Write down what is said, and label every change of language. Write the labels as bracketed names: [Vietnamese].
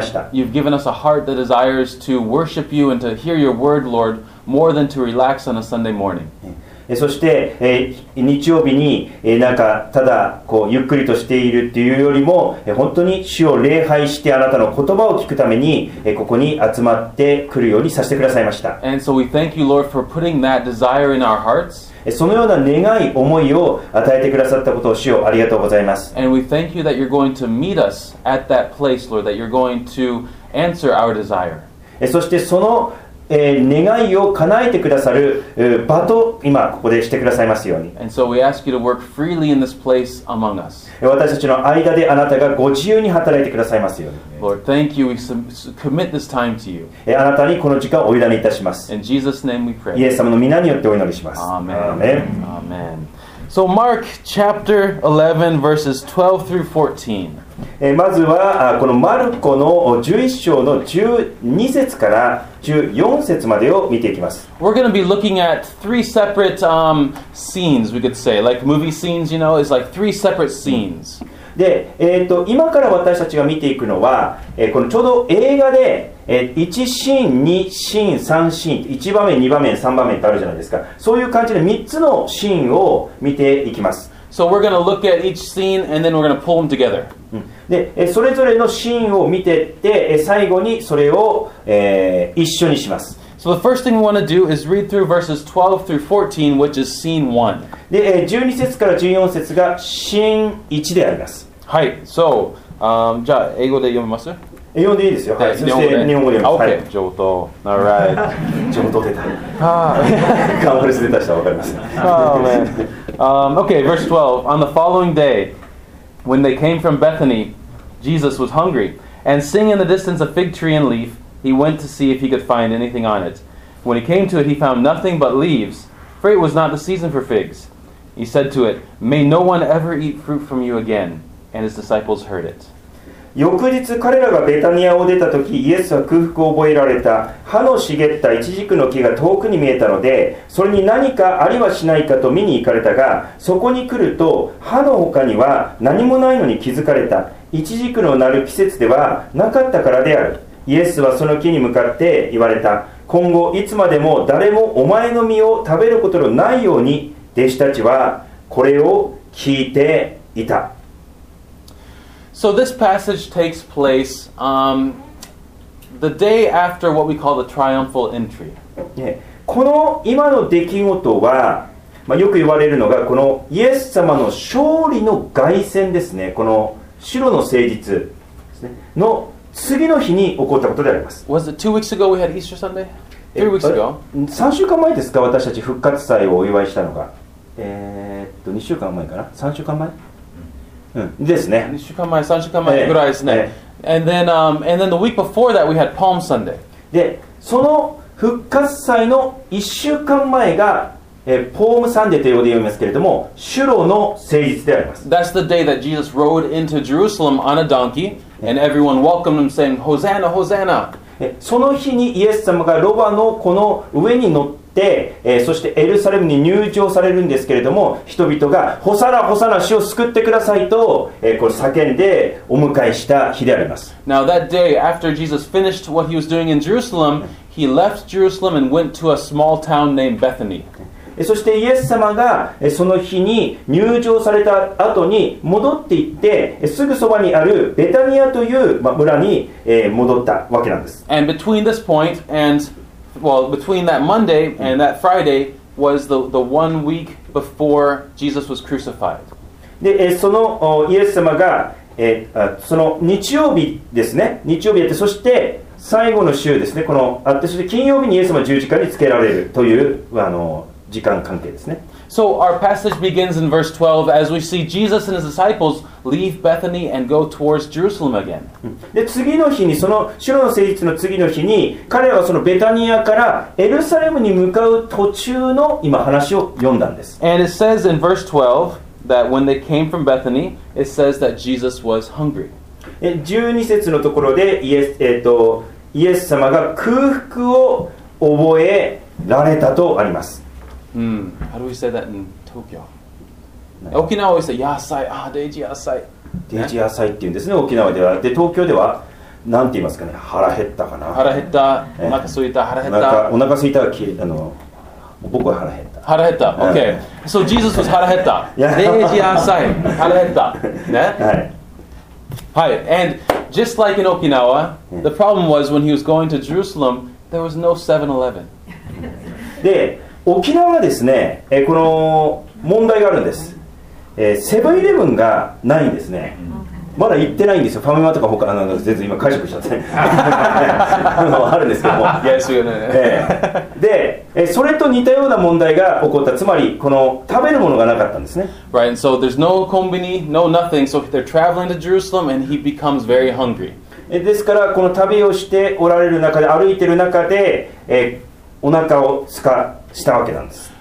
[English] You've given us a heart that desires to worship you and to hear your word, Lord, more than to relax on a Sunday morning. [Japanese] そして、日曜日に、なんかただこうゆっくりとしているっていうよりも、本当に主を礼拝してあなたの言葉を聞くために、ここに集まってくるようにさせてくださいました。 [English] And so we thank you, Lord, for putting that desire in our hearts. [Japanese] そのような願い思いを与えてくださったことを主よありがとうございます。 [English] And we thank you that you're going to meet us at that place, Lord, that you're going to answer our desire. [Japanese] そしてその願いを叶えてくださる場と今ここでしてくださいますように。私たちの間であなたがご自由に働いてくださいますように。 [English] Lord, thank you. We commit this time to you. [Japanese] あなたにこの時間をお委ねいたします。 [English] In Jesus' name we pray. [Japanese] イエス様の名によってお祈りします。 [English] Amen. Amen. Amen. So Mark chapter 11 verses 12 through 14. [Japanese] まずはこのマルコの11章の12節から14節までを見ていきます。 [English] We're going to be looking at three separate, scenes, we could say. Like movie scenes, you know, it's like three separate scenes. [Japanese] で、今から私たちが見ていくのは、このちょうど映画で、1シーン、2シーン、3シーン、1場面、2場面、3場面ってあるじゃないですか。そういう感じで3つのシーンを見ていきます。 [English] So we're going to look at each scene and then we're going to pull them together. [Japanese] で、それぞれのシーンを見てって、最後にそれを、一緒にします。 [English] So the first thing we want to do is read through verses 12 through 14, which is scene 1. [Japanese] で、12節から14節がシーン1であります。はい。 So, じゃあ英語で読みます? 英語でいいですよ。はい。そして日本語で読みます。 OK。 はい、上等。 [English] All right. [Japanese] 上等出た。カンファレンス出た人は分かります。 [English] Oh, man. Okay, verse 12. On the following day, when they came from Bethany, Jesus was hungry. And seeing in the distance a fig tree and leaf, he went to see if he could find anything on it. When he came to it, he found nothing but leaves, for it was not the season for figs. He said to it, May no one ever eat fruit from you again. And his disciples heard it. [Japanese] 翌日彼らがベタニアを出た時、イエスは空腹を覚えられた。葉の茂ったイチジクの木が遠くに見えたので、それに何かありはしないかと見に行かれたが、そこに来ると葉の他には何もないのに気づかれた。イチジクのなる季節ではなかったからである。イエスはその木に向かって言われた。今後いつまでも誰もお前の実を食べることのないように。弟子たちはこれを聞いていた。 [English] So this passage takes place the day after what we call the triumphal entry. [Japanese] この今の出来事は、まあ、よく言われるのがこのイエス様の勝利の凱旋ですね。この白の聖日ですね。の次の日に起こったことであります。 [English] Was it 2 weeks ago we had Easter Sunday? 3 weeks ago? [Japanese] 3週間前ですか、私たち復活祭をお祝いしたのが。2週間前かな ?3 週間前ですね。 2週間前、3週間前ぐらいですね。 [English] And then the week before that we had Palm Sunday. [Japanese] で、その復活祭の1週間前が、ポームサンデーというので言いますけれども、シュロの聖日であります。 [English] That's the day that Jesus rode into Jerusalem on a donkey, and everyone welcomed him saying, Hosanna, Hosanna. [Japanese] その日にイエス様がロバのこの上に乗ってそしてエルサレムに入場されるんですけれども、人々がホサラホサラ、主を救ってくださいと、これ叫んでお迎えした日であります。 [English] Now that day after Jesus finished what he was doing in Jerusalem, he left Jerusalem and went to a small town named Bethany. [Japanese] そしてイエス様がその日に入場された後に戻っていって、すぐそばにあるベタニアという村に戻ったわけなんです。 [English] And between this point andWell, between that Monday and that Friday was the 1 week before Jesus was crucified. [Japanese] で、そのイエス様が、その日曜日ですね、日曜日やって、そして最後の週ですね、このあって、そして金曜日にイエス様十字架につけられるという時間関係ですね。 [English] So our passage begins in verse 12 as we see Jesus and his disciples leave Bethany and go towards Jerusalem again. [Japanese] で、次の日に、その主の聖日の次の日に、彼はそのベタニアからエルサレムに向かう途中の今話を読んだんです。 [English] And it says in verse 12 that when they came from Bethany, it says that Jesus was hungry. [Japanese] 12節のところでイエス様が空腹を覚えられたとあります。 [English] How do we say that in Tokyo? [Japanese] 沖縄は野菜、ああ、デージ野菜。デージ野菜って言うんですね、沖縄では。で、東京では、なんて言いますかね、腹減ったかな。腹減った、お腹すいた、腹減った。お腹すいた、僕は腹減った。腹減った。Okay. [English] So Jesus was [Japanese] 腹減った。零時半さえ腹減った。ね。はい。はい。 [English] And just like in Okinawa, the problem was when he was going to Jerusalem, there was no 7-Eleven. [Japanese] で、沖縄はですね、この問題があるんです。セブンイレブンがないんですね。まだ行ってないんですよ。ファミマとか他なんか全然今解釈しちゃってね。あるんですけども。 [English] Yes, you know. [Japanese] で、それと似たような問題が起こった。つまり、この食べるものがなかったんですね。 [English] Right, and so there's no combini, no nothing. So they're traveling to Jerusalem and he becomes very hungry. [Japanese] ですから、この旅をしておられる中で、歩いてる中で、お腹をすかしたわけなんです。